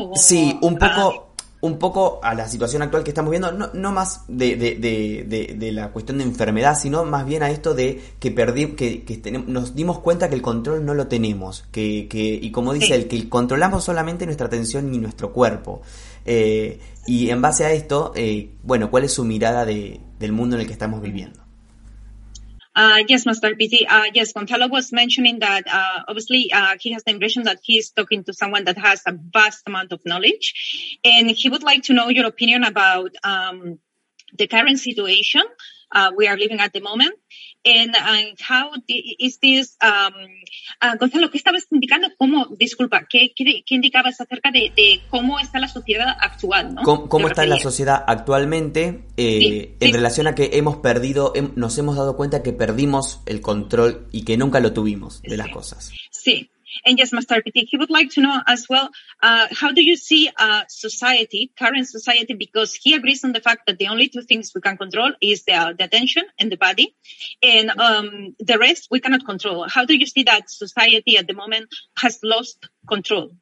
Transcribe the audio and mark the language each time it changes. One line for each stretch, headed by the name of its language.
Spanish: Sí, un poco a la situación actual que estamos viendo, no más de la cuestión de enfermedad, sino más bien a esto de que nos dimos cuenta que el control no lo tenemos, y como dice él, que controlamos solamente nuestra atención y nuestro cuerpo. Y en base a esto, bueno, ¿cuál es su mirada del mundo en el que estamos viviendo?
English: Yes, Master PT. Yes, Gonzalo was mentioning that obviously he has the impression that he is talking to someone that has a vast amount of knowledge. And he would like to know your opinion about the current situation we are living at the moment. And how is this... Gonzalo,
Spanish: ¿qué estabas indicando? ¿Qué indicabas acerca de cómo está la sociedad actual, ¿no? ¿Cómo está la sociedad actualmente relación a que hemos perdido, nos hemos dado cuenta que perdimos el control y que nunca lo tuvimos de las cosas? Sí.
English: And yes, Master PT, he would like to know as well, how do you see society, current society, because he agrees on the fact that the only two things we can control is the attention and the body, and the rest we cannot control. How do you see that society at the moment has lost control?